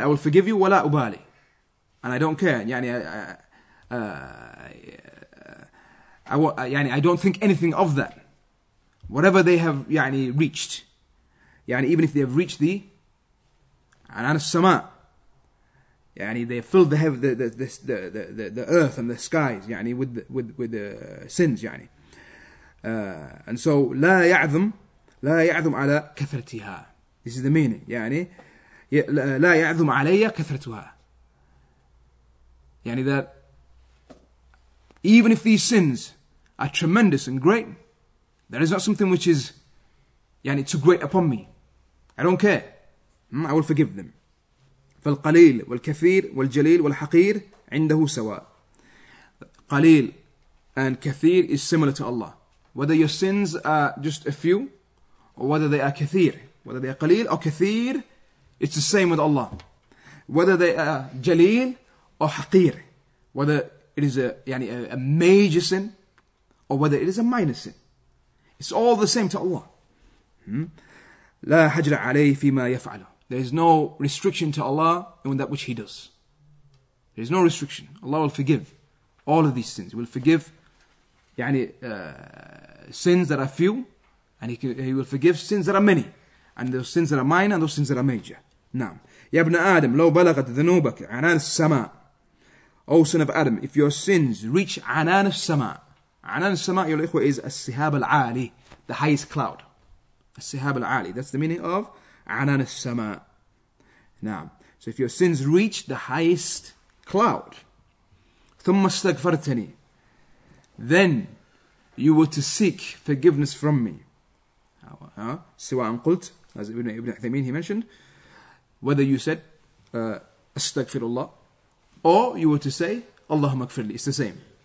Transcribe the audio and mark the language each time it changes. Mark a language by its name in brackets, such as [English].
[English] I will forgive you, [Arabic] wala ubali. [English] And I don't care. Yani, I don't think anything of that. Whatever they have يعني, reached, يعني, even if they have reached the [Arabic] anas sama, [English] يعني, they have filled the earth and the skies يعني, with sins. [Arabic] يعني. [English] And so, [Arabic] لا يعظم على كثرتها. [English] This is the meaning. [Arabic] يعني, لا يعظم علي كثرتها. [English] يعني that even if these sins are tremendous and great, there is not something which is يعني, too great upon me. I don't care. I will forgive them. [Arabic] فالقليل والكثير والجليل والحقير عنده سواء. [English] قليل and كثير is similar to Allah. Whether your sins are just a few or whether they are كثير. Whether they are قليل or كثير, it's the same with Allah. Whether they are جليل or حقير. Whether it is a major sin or whether it is a minor sin. It's all the same to Allah. [Arabic] لا حجر عليه فيما يفعله. [English] There is no restriction to Allah in that which He does. There is no restriction. Allah will forgive all of these sins. He will forgive يعني, sins that are few, and he will forgive sins that are many, and those sins that are minor, and those sins that are major. [Arabic] نعم. يا ابن آدم لو بلغت ذنوبك عنان السماء. [English] O son of Adam, if your sins reach [Arabic] عنان السماء. عنان السماء يا الإخوة is السهاب العالي, [English] the highest cloud. [Arabic] السهاب العالي, [English] that's the meaning of [Arabic] عنان السماء. نعم. [English] So if your sins reach the highest cloud, [Arabic] ثم استغفرتني, [English] then you were to seek forgiveness from me. [Arabic] سواء قلت, [English] as Ibn Uthaymeen he mentioned, whether you said [Arabic] استغفر الله, [English] or you were to say [Arabic] اللهم اغفر لي, [English] it's the same.